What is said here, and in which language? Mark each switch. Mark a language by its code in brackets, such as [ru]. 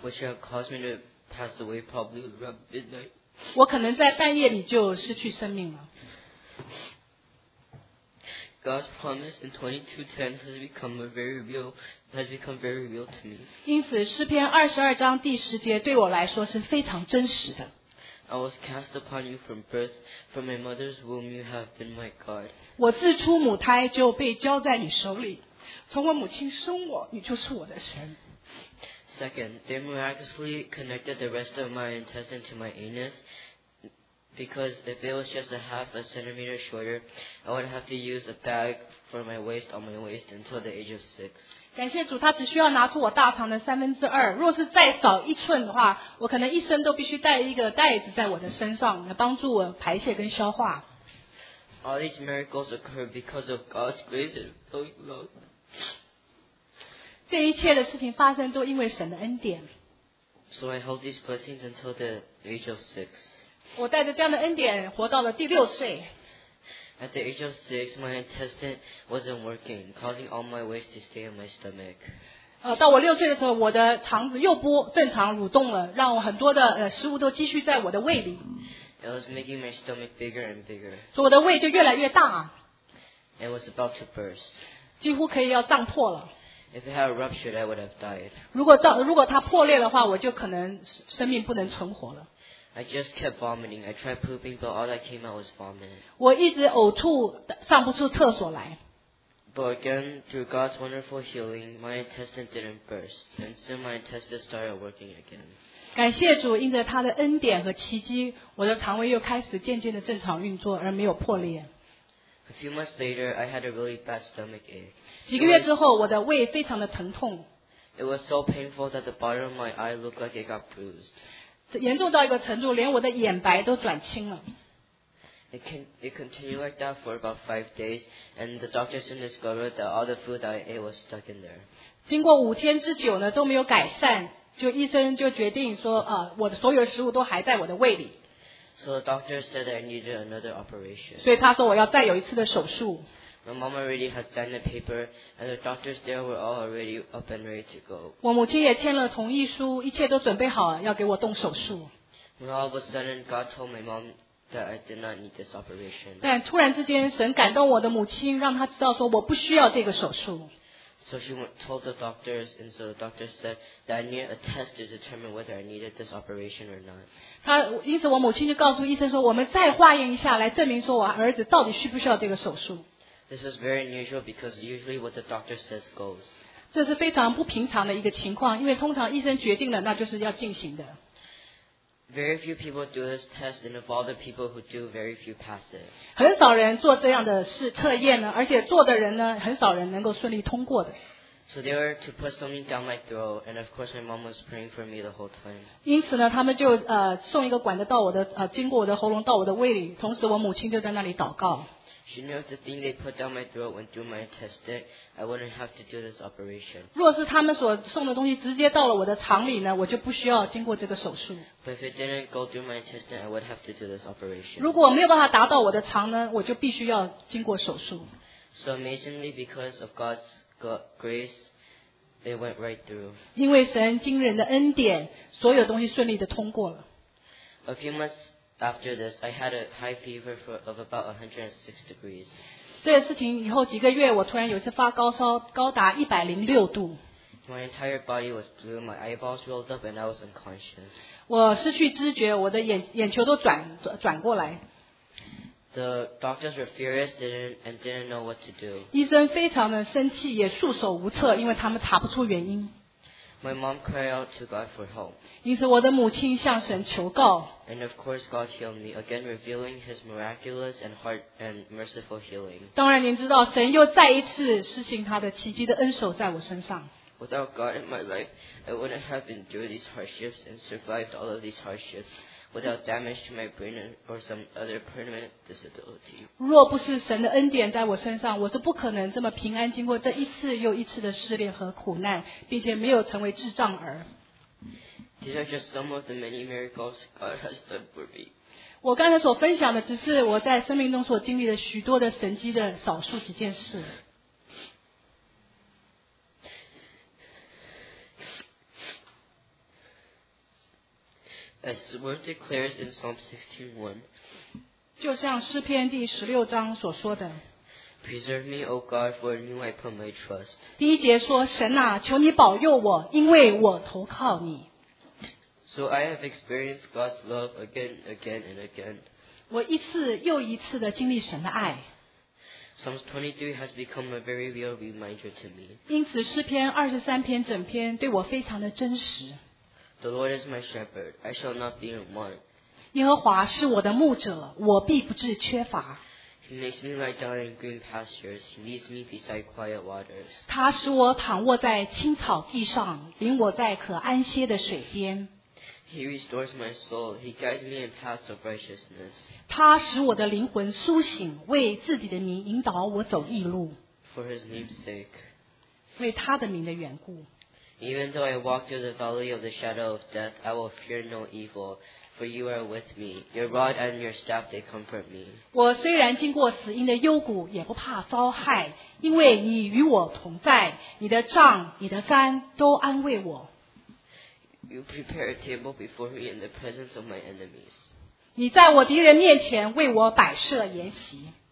[en] Which have caused me to pass away probably around midnight. [zh] 我可能在半夜里就失去生命了。 [en] God's promise in 22:10 has become very real to me. [zh] 因此，诗篇二十二章第十节对我来说是非常真实的。 [en] I was cast upon you from birth, from my mother's womb you have been my God. [zh] 我自出母胎就被交在你手里，从我母亲生我，你就是我的神。 [en] Second, they miraculously connected the rest of my intestine to my anus. Because if it was just a half a centimeter shorter, I would have to use a bag for my waist on my waist until the age of 6. [zh] 感谢主，他只需要拿出我大肠的三分之二。若是再少一寸的话，我可能一生都必须带一个袋子在我的身上，来帮助我排泄跟消化。 [en] All these miracles occur because of God's grace and love. [zh] 这一切的事情发生都因为神的恩典。 [en] So I hold these blessings until the age of 6. [zh] 我带着这样的恩典活到了第六岁。 [en] At the age of 6, my intestine wasn't working, causing all my waste to stay in my stomach. [zh] 到我六岁的时候，我的肠子又不正常蠕动了，让我很多的食物都积蓄在我的胃里。 [en] It was making my stomach bigger and bigger. [zh] 所以我的胃就越来越大。 [en] It was about to burst. [zh] 几乎可以要胀破了。 [en] If it had ruptured, I would have died. [zh] 如果它破裂的话，我就可能生命不能存活了。 [en] I just kept vomiting. I tried pooping, but all that came out was vomit. [zh] 我一直呕吐，上不出厕所来。 [en] But again, through God's wonderful healing, my intestine didn't burst, and soon my intestine started working again. [zh] 感谢主，因着他的恩典和奇迹，我的肠胃又开始渐渐的正常运作，而没有破裂。 [en] A few months later, I had a really bad stomach ache. [zh] 几个月之后，我的胃非常的疼痛。 [en] It was so painful that the bottom of my eye looked like it got bruised. [zh] 严重到一个程度，连我的眼白都转青了。 [en] It continued like that for about 5 days, and the doctor soon discovered that all the food that I ate was stuck in there. [zh] 经过五天之久呢，都没有改善，就医生就决定说，我的所有食物都还在我的胃里。 [en] So the doctor said that I needed another operation. [zh] 所以他说我要再有一次的手术。 [en] My mom already had signed the paper, and the doctors there were all already up and ready to go. [zh] 我母亲也签了同意书，一切都准备好了，要给我动手术。 [en] When all of a sudden, God told my mom that I did not need this operation. [zh] 但突然之间，神感动我的母亲，让她知道说我不需要这个手术。 [en] So she told the doctors, and so the doctors said that I need a test to determine whether I needed this operation or not. [zh] 因此我母亲就告诉医生说，我们再化验一下，来证明说我儿子到底需不需要这个手术。 [en] This is very unusual because usually what the doctor says goes. [zh] 这是非常不平常的一个情况，因为通常医生决定了，那就是要进行的。 [en] Very few people do this test, and of all the people who do, very few pass it. [zh] 很少人做这样的试测验呢，而且做的人呢，很少人能够顺利通过的。 [en] So they were to put something down my throat, and of course my mom was praying for me the whole time. [zh] 因此呢，他们就送一个管子到我的经过我的喉咙到我的胃里，同时我母亲就在那里祷告。 [en] She knew if the thing they put down my throat went through my intestine, I wouldn't have to do this operation. [zh] 若是他们所送的东西直接到了我的肠里呢，我就不需要经过这个手术。 [en] But if it didn't go through my intestine, I would have to do this operation. [zh] 如果没有办法达到我的肠呢，我就必须要经过手术。 [en] So amazingly, because of God's grace, it went right through. [zh] 因为神惊人的恩典，所有东西顺利的通过了。 [en] A few months. After this, I had a high fever of about 106 degrees. [zh] 这个事情以后几个月，我突然有一次发高烧，高达106度。 [en] My entire body was blue, my eyeballs rolled up, and I was unconscious. [zh] 我失去知觉，我的眼球都转过来。 [en] The doctors were furious and didn't know what to do. [zh] 医生非常的生气，也束手无策，因为他们查不出原因。 [en] My mom cried out to God for help. [zh] 因此我的母亲向神求告。 [en] And of course, God healed me again, revealing His miraculous and heart and merciful healing. [zh] 当然，您知道神又再一次施行他的奇迹的恩手在我身上。 [en] Without God in my life, I wouldn't have endured these hardships and survived all of these hardships without damage to my brain or some other permanent disability. [zh] 若不是神的恩典在我身上，我是不可能这么平安经过这一次又一次的试炼和苦难，并且没有成为智障儿。 [en] These are just some of the many miracles God has done for me. [zh] 我刚才所分享的只是我在生命中所经历的许多的神迹的少数几件事。 [en] As the word declares in Psalm 16:1, [zh] 就像诗篇第十六章所说的 [en] Preserve me, O God, for in you I put my trust. [zh] 第一节说神啊求你保佑我因为我投靠你。 [en] So I have experienced God's love again, again, and again. [zh] 我一次又一次地经历神的爱。 [en] Psalms 23 has become a very real reminder to me. [zh] 因此诗篇二十三篇整篇对我非常的真实。 [en] The Lord is my shepherd, I shall not be in want. [zh] 耶和华是我的牧者，我必不致缺乏。 [en] He makes me lie down in green pastures, he leads me beside quiet waters. [zh] 他使我躺卧在青草地上，领我在可安歇的水边。 [en] He restores my soul, he guides me in paths of righteousness. [zh] 他使我的灵魂苏醒，为自己的名引导我走义路。 [en] For his name's sake. [zh] 为他的名的缘故。 [en] Even though I walk through the valley of the shadow of death, I will fear no evil, for you are with me. Your rod and your staff, they comfort me. [zh] 我虽然经过死荫的幽谷，也不怕遭害，因为你与我同在，你的杖、你的竿都安慰我。 [en] You prepare a table before me in the presence of my enemies. [zh] 你在我敌人面前为我摆设筵席。